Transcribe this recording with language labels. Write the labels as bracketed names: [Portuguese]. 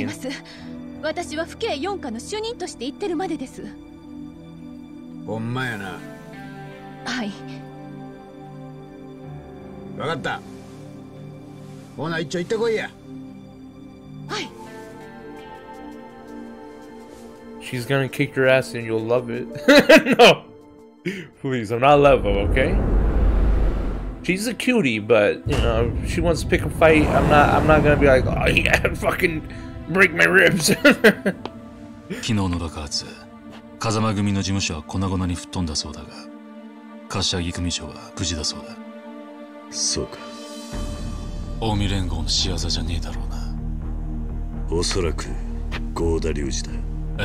[Japanese] 違います。私は府警四課の主任として言ってるまでです。ほんまやな。はい、わかった。ほな一丁行ってこいや。はい。 [English] She's gonna kick your ass and you'll love it. No, please, I'm not level, okay? She's a cutie, but you know, if she wants to pick a fight, I'm not gonna be like, oh yeah, fuckingBreak my ribs. [Japanese] 昨日の爆発、風間組の事務所は粉々に吹っ飛んだそうだが、柏木組長は無事だそうだ。そうか。近江連合の仕業じゃねえだろうな。おそらく合田隆二だ。